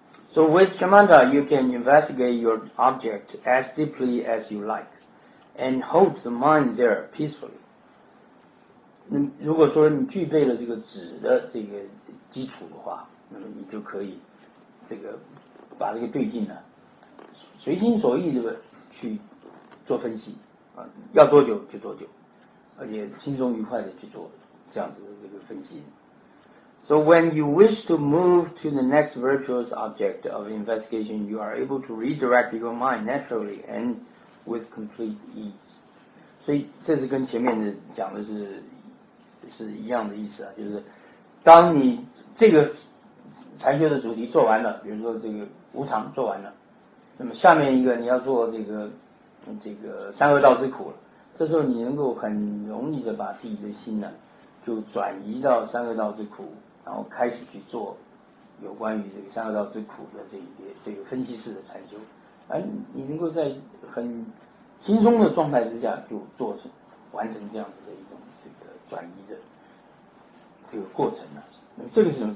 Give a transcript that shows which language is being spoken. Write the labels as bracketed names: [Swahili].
[English] So with shamatha, you can investigate your object as deeply as you like, and hold the mind there peacefully. [Chinese] 如果说你具备了这个止的这个基础的话，那么你就可以这个把这个对境呢随心所欲的去做分析，要多久就多久，而且轻松愉快的去做这样子的这个分析。 [English] So when you wish to move to the next virtuous object of investigation, you are able to redirect your mind naturally and with complete ease. [Chinese] 所以这是跟前面的讲的是一样的意思啊，就是当你这个禅修的主题做完了，比如说这个无常做完了，那么下面一个你要做这个三恶道之苦了，这时候你能够很容易的把自己的心呢就转移到三恶道之苦，然后开始去做有关于这个三恶道之苦的这个分析式的禅修，而你能够在很轻松的状态之下就做成完成这样子的一种这个转移的这个过程呢、啊？那么这个是什么？